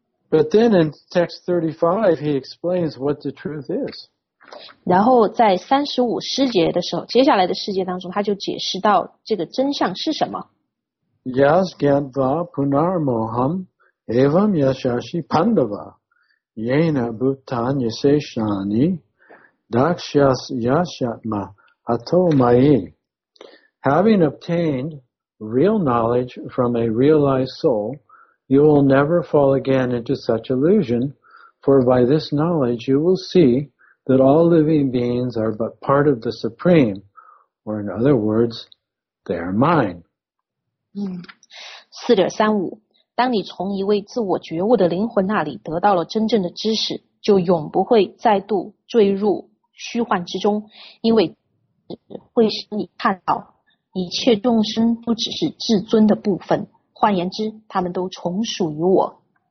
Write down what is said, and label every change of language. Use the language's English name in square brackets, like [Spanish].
[English] But then in text 35, he explains what the truth is. [Chinese] 然后在35节的时候，接下来的世界当中，他就解释到这个真相是什么。 [Sanskrit] Yasgandva punarmoham evam yashashi pandava yena bhutanya seshani dakshyas yashatma ato mayi. [English] Having obtained... Real knowledge from a realized soul, you will never fall again into such illusion, for by this knowledge you will see that all living beings are but part of the Supreme, or in other words, they are mine. [Chinese] 4.35 当你从一位自我觉悟的灵魂那里得到了真正的知识，就永不会再度坠入虚幻之中，因为会使你看到一切众生都只是至尊的部分，换言之，他们都从属于我。